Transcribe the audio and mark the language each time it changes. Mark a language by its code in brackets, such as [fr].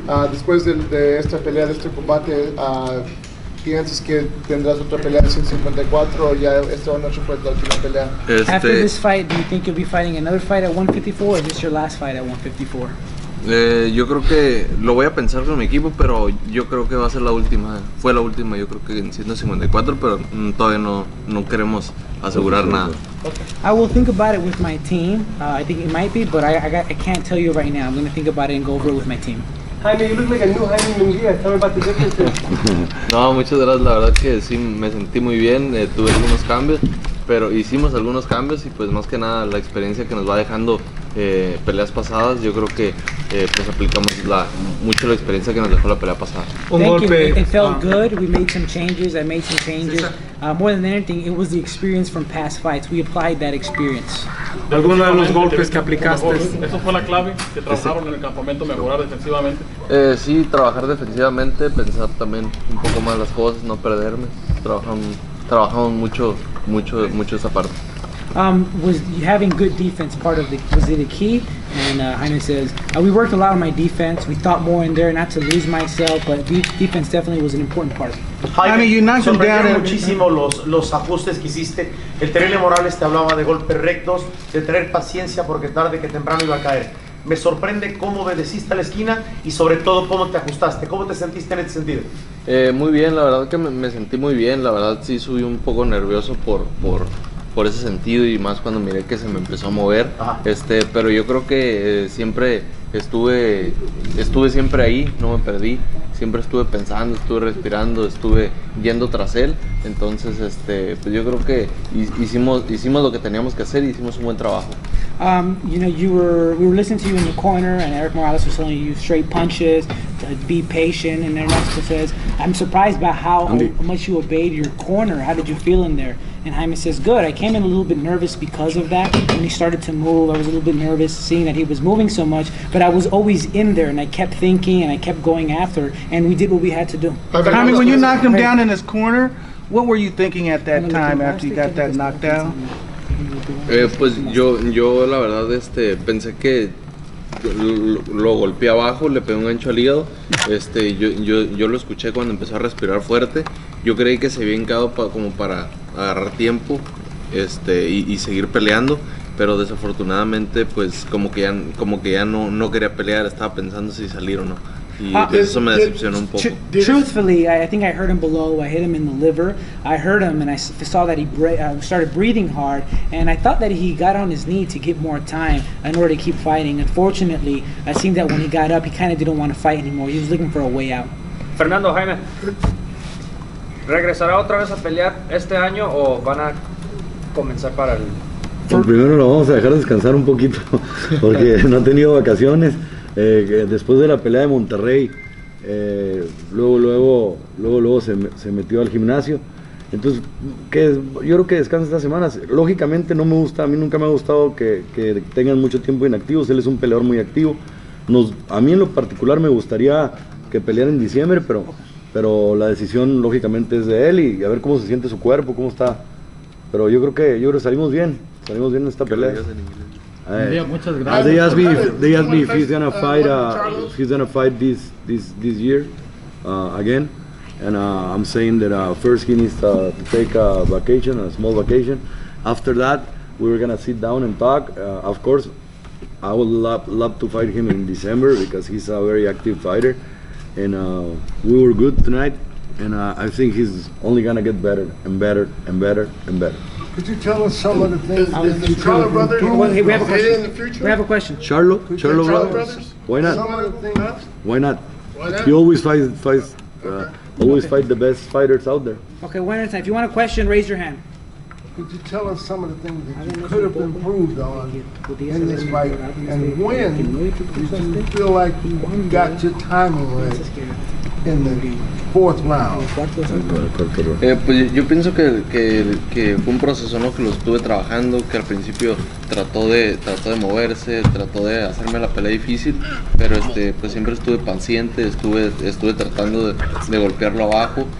[es] Después de esta pelea, de este combate, ¿piensas que tendrás otra pelea de 154 o ya esta noche fue la última pelea? [en] After this fight, do you think you'll be fighting another fight at 154 or just your last fight at 154? [es] Yo creo que lo voy a pensar con mi equipo, pero yo creo que va a ser la última. Fue la última, yo creo que en 154, pero todavía no queremos asegurar nada. [en] Okay. I will think about it with my team. I think it might be, but I can't tell you right now. I'm going to think about it and go over it with my team. Jaime, you look like a new Jaime Munguía. Tell me about the differences. [es] No, muchas gracias. La verdad que sí me sentí muy bien. Tuve algunos cambios, pero hicimos algunos cambios y pues más que nada la experiencia que nos va dejando peleas pasadas. Yo creo que pues aplicamos mucho la experiencia que nos dejó la pelea pasada. Un golpe. [en] Thank you. It felt good. We made some changes. I made some changes. More than anything, it was the experience from past fights. We applied that experience. [es] ¿De alguno de los golpes que aplicaste? ¿Eso fue la clave que trabajaron en el campamento, mejorar defensivamente? Sí, trabajar defensivamente, pensar también un poco más las cosas, no perderme. Trabajamos mucho esa parte. [en] Was having good defense part of the, was it a key? And Jaime says, we worked a lot on my defense, we thought more in there, not to lose myself, but defense definitely was an important part. Jaime, you mentioned that. [es] Sorprendió muchísimo los ajustes que hiciste. El Terrible Morales te hablaba de golpes rectos, de tener paciencia porque tarde que temprano iba a caer. Me sorprende cómo obedeciste a la esquina y sobre todo cómo te ajustaste. ¿Cómo te sentiste en ese sentido? Muy bien, la verdad que me sentí muy bien. La verdad sí subí un poco nervioso por ese sentido y más cuando miré que se me empezó a mover. Ajá. Pero yo creo que siempre estuve siempre ahí, no me perdí, siempre estuve pensando, estuve respirando, estuve yendo tras él. Entonces pues yo creo que hicimos lo que teníamos que hacer y hicimos un buen trabajo. [en] We were listening to you in the corner and Eric Morales was telling you straight punches, be patient, and Ernesto says, I'm surprised by how much you obeyed your corner. How did you feel in there? And Jaime says, good, I came in a little bit nervous because of that. When he started to move, I was a little bit nervous seeing that he was moving so much, but I was always in there and I kept thinking and I kept going after, and we did what we had to do. Jaime, when you knocked him down in his corner, what were you thinking at that time after you got that knockdown? [es] Pues yo la verdad pensé que lo golpeé abajo, le pegué un gancho al hígado. Yo lo escuché cuando empezó a respirar fuerte. Yo creí que se había hincado como para agarrar tiempo y seguir peleando, pero desafortunadamente pues como que ya no quería pelear, estaba pensando si salir o no. [en] Truthfully, I think I heard him below. I hit him in the liver. I heard him and I saw that he started breathing hard. And I thought that he got on his knee to get more time in order to keep fighting. Unfortunately, I seen that when he got up, he kind of didn't want to fight anymore. He was looking for a way out. [es] Fernando, Jaime, ¿regresará otra vez a pelear este año o van a comenzar para el...? Pues primero lo vamos a dejar descansar un poquito porque no ha tenido vacaciones. Después de la pelea de Monterrey, luego se metió al gimnasio. Entonces, yo creo que descansa estas semanas. Lógicamente no me gusta, a mí nunca me ha gustado que tengan mucho tiempo inactivos. Él es un peleador muy activo. A mí en lo particular me gustaría que peleara en diciembre, pero la decisión lógicamente es de él y a ver cómo se siente su cuerpo, cómo está. Pero yo creo que salimos bien en esta pelea. Muchas gracias. [en] They asked me if he's gonna fight. He's gonna fight this year, again, and I'm saying that first he needs to take a vacation, a small vacation. After that, we were gonna sit down and talk. Of course, I would love to fight him in December because he's a very active fighter, and we were good tonight, and I think he's only gonna get better and better and better and better. Could you tell us some of the things? Is the Charlo brothers? We have a question. Charlo brothers. Why not? Why not? He always fights. Okay. Always fight the best fighters out there. Okay, one at a time. If you want a question, raise your hand. Could you tell us some of the things that you could have improved on in this fight? And when did you feel like you got your timing right? in the fourth round. [es] Pues yo pienso que fue un proceso, ¿no? Que lo estuve trabajando, que al principio trató de moverse, trató de hacerme la pelea difícil, pero pues siempre estuve paciente, estuve tratando de golpearlo abajo.